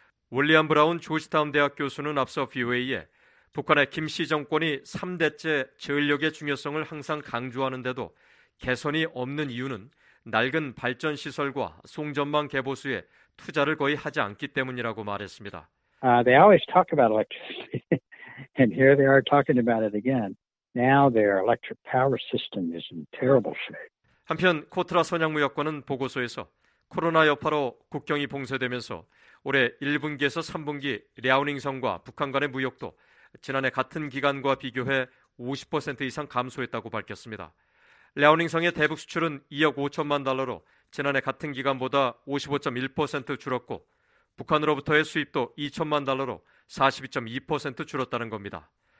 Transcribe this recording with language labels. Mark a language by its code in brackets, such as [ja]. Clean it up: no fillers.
[ko] 윌리엄 브라운 조지타운 대학 교수는 앞서 VOA에 북한의 김씨 정권이 3대째 전력의 중요성을 항상 강조하는데도 개선이 없는 이유는 낡은 발전시설과 송전망 개보수에 투자를 거의 하지 않기 때문이라고 말했습니다. [en] They always talk about electricity. And here they are talking about it again. Now their electric power system is in terrible shape. [ko] 한편 코트라 선양무역관은 보고서에서 코로나 여파로 국경이 봉쇄되면서 올해 1분기에서 3분기 랴오닝성과 북한 간의 무역도 지난해 같은 기간과 비교해 50% 이상 감소했다고 밝혔습니다. 랴오닝성의 대북 수출은 2억 5천만 달러로 지난해 같은 기간보다 55.1% 줄었고 북한으로부터의 수입도 2천만 달러로 42.2% 줄었다는 겁니다.